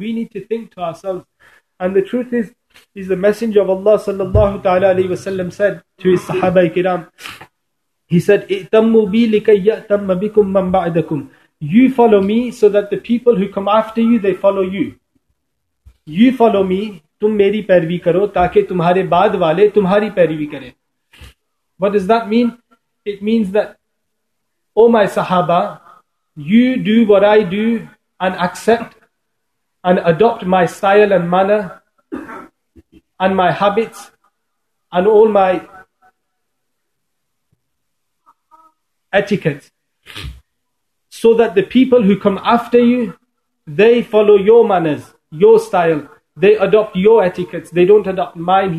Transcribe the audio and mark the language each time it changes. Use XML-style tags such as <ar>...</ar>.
<en>We need to think to ourselves. And the truth is the Messenger of Allah sallallahu ta'ala alayhi wa sallam said to his Sahaba kiram, he said,</en> <ar>اِئْتَمُّوا بِي لِكَيْ يَأْتَمَّ بِكُمْ مَنْ بَعْدَكُمْ.</ar> <en>You follow me so that the people who come after you, they follow you. You follow me,</en> <ur>تُم میری پیروی کرو تاکہ تمہارے بعد والے تمہاری پیروی کریں.</ur> <en>What does that mean? It means that, oh my Sahaba, you do what I do and accept and adopt my style and manner and my habits and all my etiquette, so that the people who come after you, they follow your manners, your style, they adopt your etiquettes, they don't adopt mine.</en>